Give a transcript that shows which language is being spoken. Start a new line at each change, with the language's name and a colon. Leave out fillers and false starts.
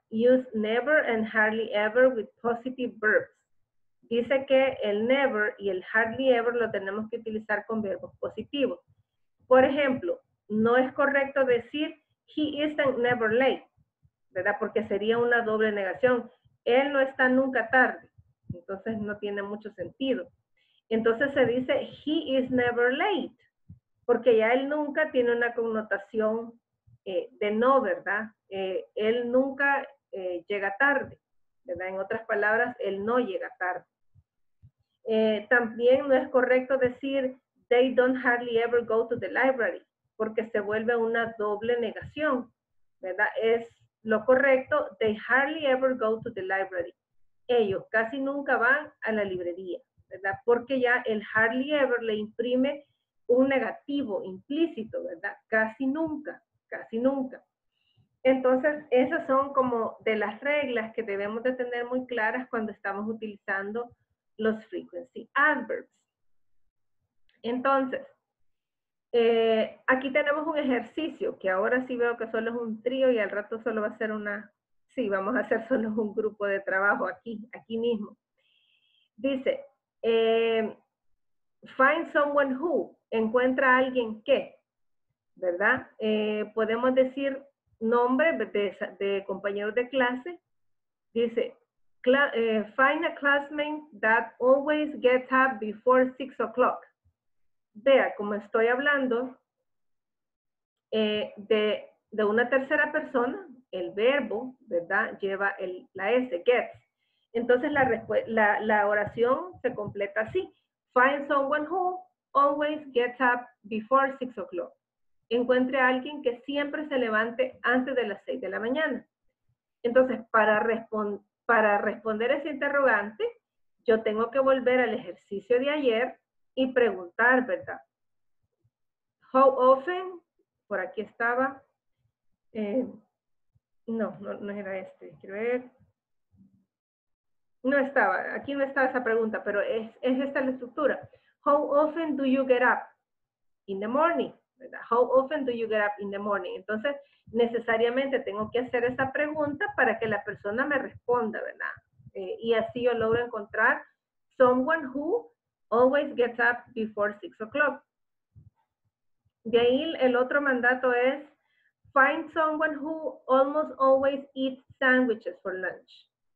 English: Use never and hardly ever with positive verbs.
Spanish: Dice que el never y el hardly ever lo tenemos que utilizar con verbos positivos. Por ejemplo, no es correcto decir
English: he isn't never late,
Spanish: ¿verdad? Porque sería una doble negación. Él no está nunca tarde. Entonces no tiene mucho sentido. Entonces se dice
English: he is never late,
Spanish: porque ya él nunca tiene una connotación de no, ¿verdad? Él nunca llega tarde, ¿verdad? En otras palabras, él no llega tarde. También no es correcto decir
English: they don't hardly ever go to the library,
Spanish: porque se vuelve una doble negación, ¿verdad? Es lo correcto,
English: they hardly ever go to the library.
Spanish: Ellos casi nunca van a la librería, ¿verdad? Porque ya el hardly ever le imprime un negativo implícito, ¿verdad? Casi nunca, casi nunca. Entonces, esas son como de las reglas que debemos de tener muy claras cuando estamos utilizando los frequency adverbs. Entonces, aquí tenemos un ejercicio que ahora sí veo que solo es un trío y al rato solo va a ser una, sí, vamos a hacer solo un grupo de trabajo aquí, aquí mismo. Dice,
English: find someone who,
Spanish: encuentra a alguien que, ¿verdad? Podemos decir nombre de compañeros de clase. Dice,
English: find a classmate that always gets up before 6 o'clock.
Spanish: Vea, como estoy hablando de una tercera persona, el verbo, ¿verdad? Lleva el, la S, gets. Entonces la oración se completa así.
English: Find someone who always gets up before 6 o'clock.
Spanish: Encuentre a alguien que siempre se levante antes de las 6 de la mañana. Entonces, para responder ese interrogante, yo tengo que volver al ejercicio de ayer y preguntar, ¿verdad?
English: How often,
Spanish: por aquí estaba, no era este, quiero ver. No estaba, aquí no estaba esa pregunta, pero es esta la estructura.
English: How often do you get up in the morning?
Spanish: ¿Verdad?
English: How often do you get up in the morning?
Spanish: Entonces, necesariamente tengo que hacer esa pregunta para que la persona me responda, ¿verdad? Y así yo logro encontrar
English: someone who always gets up before 6 o'clock.
Spanish: De ahí el otro mandato es
English: find someone who almost always eats sandwiches for lunch.